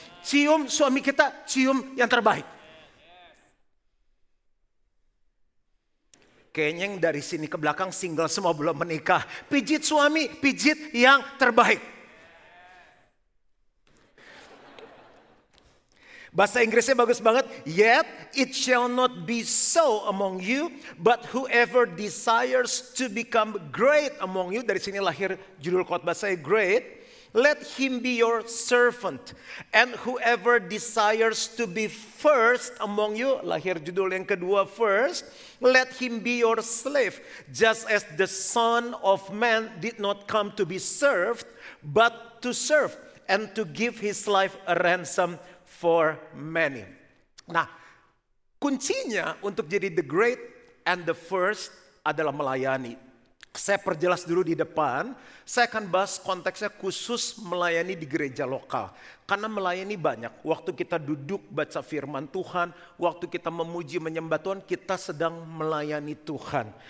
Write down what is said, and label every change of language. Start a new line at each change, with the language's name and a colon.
Indonesian: Cium suami kita, cium yang terbaik. Kayaknya yang dari sini ke belakang single semua belum menikah. Pijit suami, pijit yang terbaik. Bahasa Inggrisnya bagus banget.
English: Yet it shall not be so among you, but whoever desires to become great among you.
Indonesian: Dari sini lahir judul khotbah saya, great.
English: Let him be your servant. And whoever desires to be first among you,
Indonesian: lahir judul yang kedua,
English: first. Let him be your slave. Just as the Son of Man did not come to be served, but to serve and to give his life a ransom for many.
Indonesian: Nah, kuncinya untuk jadi
English: the great and the first
Indonesian: adalah melayani. Saya perjelas dulu di depan, saya akan bahas konteksnya khusus melayani di gereja lokal. Karena melayani banyak, waktu kita duduk baca firman Tuhan, waktu kita memuji menyembah Tuhan, kita sedang melayani Tuhan.